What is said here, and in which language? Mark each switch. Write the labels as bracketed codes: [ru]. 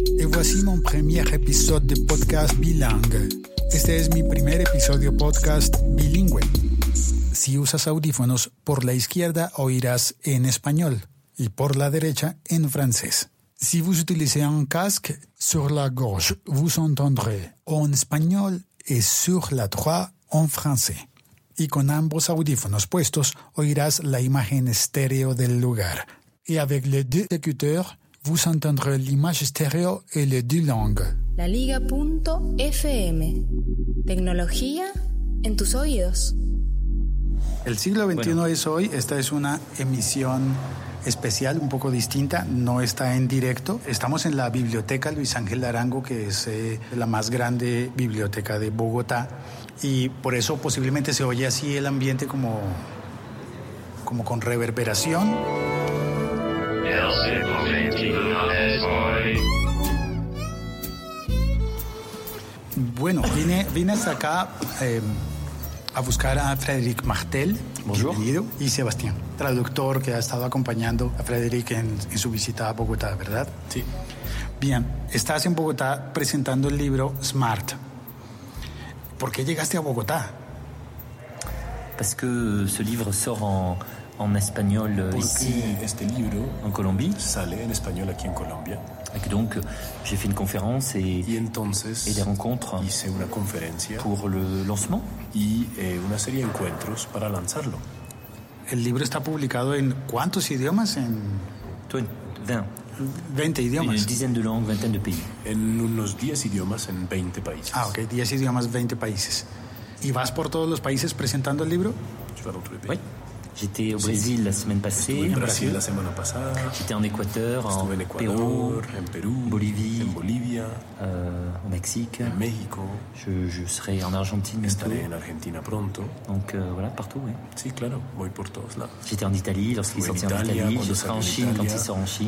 [fr] voici mon premier épisode de podcast bilingue. [es] Este es mi primer episodio podcast bilingüe. Si usas audífonos, por la izquierda oirás en español y por la derecha en francés. [fr] Si vous utilisez un casque, sur la gauche vous entendrez [es] en español y [fr] sur la droite [es] en francés. Y con ambos audífonos puestos, oirás la imagen estéreo del lugar. [fr] Y avec les deux écouteurs, vous entendrez l'image estéreo et les deux langues. [es] La Liga.fm. Tecnología en tus oídos. El siglo XXI bueno. Es hoy. Esta es una emisión especial, un poco distinta. No está en directo. Estamos en la biblioteca Luis Ángel Arango, que es la más grande biblioteca de Bogotá. Y por eso posiblemente se oye así el ambiente como con reverberación. Bueno, vine hasta acá a buscar a Frédéric Martel. [fr] Bonjour. [es] Bienvenido. Y Sebastián, traductor que ha estado acompañando a Frédéric en su visita a Bogotá, ¿verdad? Sí. Bien, estás en Bogotá presentando el libro Smart. ¿Por qué llegaste a Bogotá? [fr] Parce que ce livre sort en espagnol ici. [es] Este libro en Colombia. Sale en español aquí en Colombia. [fr] Et donc, j'ai fait une conférence et des rencontres. [es] Hice una conferencia [fr] pour le lancement. [es] Y una serie de encuentros para lanzarlo. El libro está publicado en ¿cuántos idiomas? En 20 idiomas. [fr] Une dizaine de langues, vingtaine de pays. [es] En unos 10 idiomas en 20 países. Ah, ok, 10 idiomas, 20 países. ¿Y vas por todos los países presentando el libro? [fr] Je vais dans tous les pays. Oui. J'étais au Brésil la semaine passée. [es] En Brasil la semana pasada. [fr] J'étais en Équateur, en Pérou, Bolivie, [es] en Bolivia, [fr] au Mexique, [es] en México. [fr] Je serai en Argentine. [es] Estaré en Argentina pronto. [fr] Donc voilà, partout, oui. [es] Sí, claro, voy por todos lados. [fr] J'étais en Italie lorsqu'il sortit en Italie. Je serai en Chine quand il sort en Chine.